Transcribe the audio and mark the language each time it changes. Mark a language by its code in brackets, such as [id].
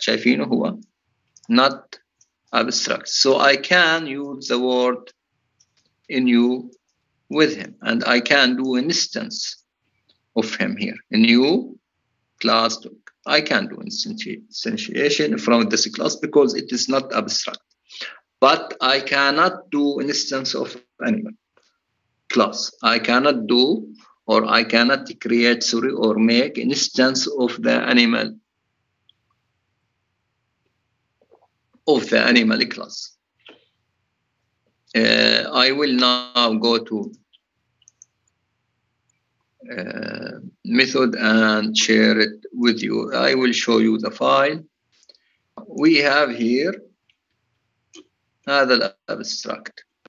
[ar] شايفينه هو [en] not abstract. So I can use the word in you with him. And I can do an instance of him here. A new class dog. I can do instantiation from this class because it is not abstract. But I cannot do an instance of animal class. I cannot do or I cannot create, sorry, or make an instance of the animal of the animal class. I will now go to method and share it with you. I will show you the file. We have here [ar] هذا الابستراكت.